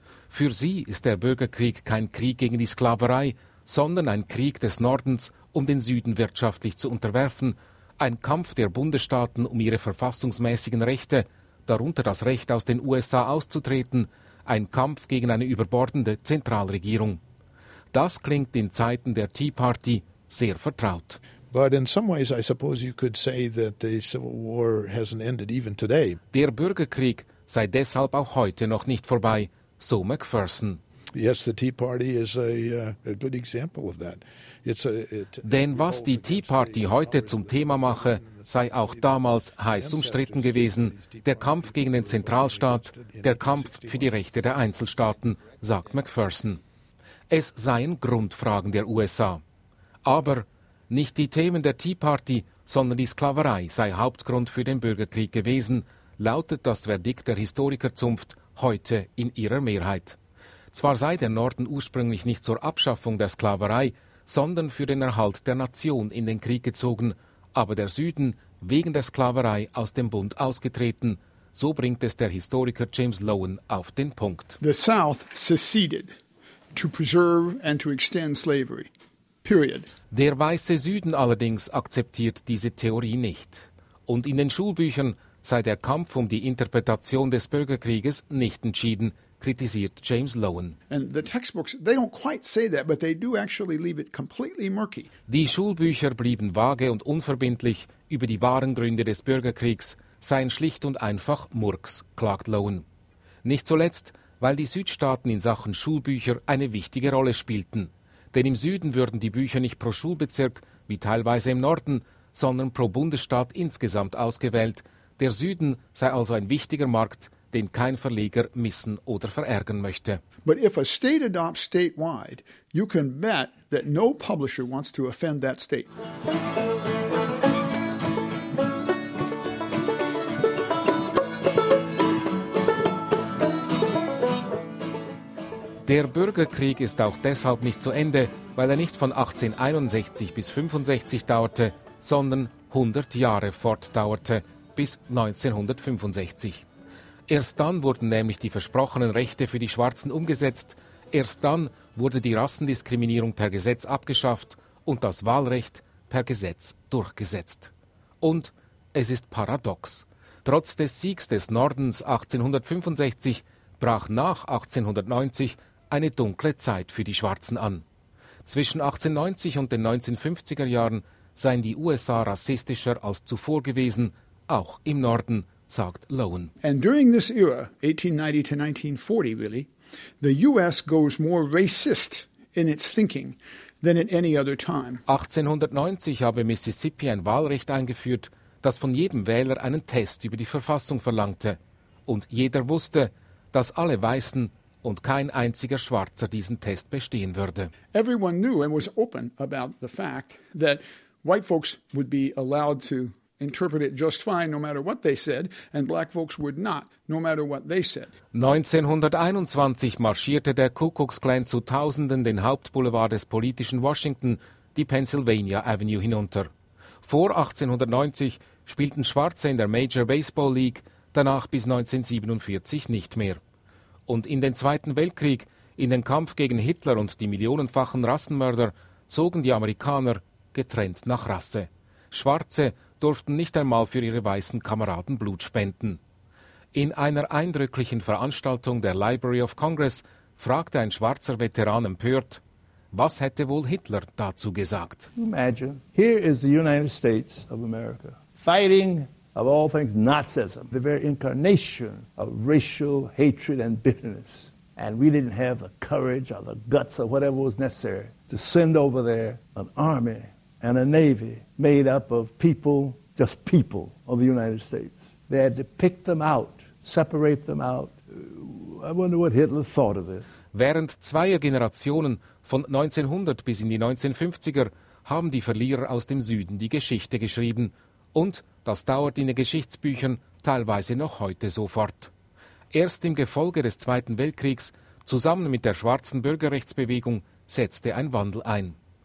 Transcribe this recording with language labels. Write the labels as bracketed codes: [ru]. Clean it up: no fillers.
[de] Für sie ist der Bürgerkrieg kein Krieg gegen die Sklaverei, sondern ein Krieg des Nordens, um den Süden wirtschaftlich zu unterwerfen, ein Kampf der Bundesstaaten um ihre verfassungsmäßigen Rechte, darunter das Recht, aus den USA auszutreten, ein Kampf gegen eine überbordende Zentralregierung. Das klingt in Zeiten der Tea Party sehr vertraut. [en] But in some ways I suppose you could say that the Civil War hasn't ended even today. [de] Der Bürgerkrieg sei deshalb auch heute noch nicht vorbei, so McPherson. [en] Yes, the Tea Party is a good example of that. [de] Denn was die Tea Party heute zum Thema mache, sei auch damals heiß umstritten gewesen. Der Kampf gegen den Zentralstaat, der Kampf für die Rechte der Einzelstaaten, sagt McPherson. Es seien Grundfragen der USA. Aber nicht die Themen der Tea Party, sondern die Sklaverei sei Hauptgrund für den Bürgerkrieg gewesen, lautet das Verdikt der Historikerzunft heute in ihrer Mehrheit. Zwar sei der Norden ursprünglich nicht zur Abschaffung der Sklaverei, sondern für den Erhalt der Nation in den Krieg gezogen, aber der Süden wegen der Sklaverei aus dem Bund ausgetreten. So bringt es der Historiker James Lowen auf den Punkt. [en] The South seceded to preserve and to extend slavery. Period. [de] Der weiße Süden allerdings akzeptiert diese Theorie nicht. Und in den Schulbüchern sei der Kampf um die Interpretation des Bürgerkrieges nicht entschieden, kritisiert James Lowen. [en] And the textbooks, they don't quite say that, but they do actually leave it completely murky. [de] Die Schulbücher blieben vage und unverbindlich über die wahren Gründe des Bürgerkriegs, seien schlicht und einfach Murks, klagt Lowen. Nicht zuletzt, weil die Südstaaten in Sachen Schulbücher eine wichtige Rolle spielten. Denn im Süden würden die Bücher nicht pro Schulbezirk, wie teilweise im Norden, sondern pro Bundesstaat insgesamt ausgewählt. Der Süden sei also ein wichtiger Markt, den kein Verleger missen oder verärgern möchte. [en] But if a state adopts statewide, you can bet that no publisher wants to offend that state. [de] Der Bürgerkrieg ist auch deshalb nicht zu Ende, weil er nicht von 1861 bis 65 dauerte, sondern 100 Jahre fortdauerte, bis 1965. Erst dann wurden nämlich die versprochenen Rechte für die Schwarzen umgesetzt, erst dann wurde die Rassendiskriminierung per Gesetz abgeschafft und das Wahlrecht per Gesetz durchgesetzt. Und es ist paradox. Trotz des Siegs des Nordens 1865 brach nach 1890 eine dunkle Zeit für die Schwarzen an. Zwischen 1890 und den 1950er Jahren seien die USA rassistischer als zuvor gewesen, auch im Norden, sagt Lowen. [en] And during this era, 1890 to 1940 really, the US goes more racist in its thinking than at any other time. [de] 1890 habe Mississippi ein Wahlrecht eingeführt, das von jedem Wähler einen Test über die Verfassung verlangte. Und jeder wusste, dass alle Weißen und kein einziger Schwarzer diesen Test bestehen würde. [en] Everyone knew and was open about the fact that white folks would be allowed to interpret it just fine, no matter what they said, and black folks would not, no matter what they said. [de] 1921 marschierte der Ku Klux Klan zu Tausenden den Hauptboulevard des politischen Washington, die Pennsylvania Avenue, hinunter. Vor 1890 spielten Schwarze in der Major Baseball League, danach bis 1947 nicht mehr. Und in den Zweiten Weltkrieg, in den Kampf gegen Hitler und die millionenfachen Rassenmörder, zogen die Amerikaner getrennt nach Rasse. Schwarze durften nicht einmal für ihre weißen Kameraden Blut spenden. In einer eindrücklichen Veranstaltung der Library of Congress fragte ein schwarzer Veteran empört, was hätte wohl Hitler dazu gesagt? [en] Imagine, here is the United States of America, fighting of all things Nazism, the very incarnation of racial hatred and bitterness. And we didn't have the courage or the guts or whatever was necessary to send over there an army and a navy made up of people, just people of the United States. They had to pick them out, separate them out. I wonder what Hitler thought of this. [de] Während zweier Generationen, von 1900 bis in die 1950er, haben die Verlierer aus dem Süden die Geschichte geschrieben. Und das dauert in den Geschichtsbüchern teilweise noch heute so fort. Erst im Gefolge des Zweiten Weltkriegs, zusammen mit der schwarzen Bürgerrechtsbewegung, setzte ein Wandel ein.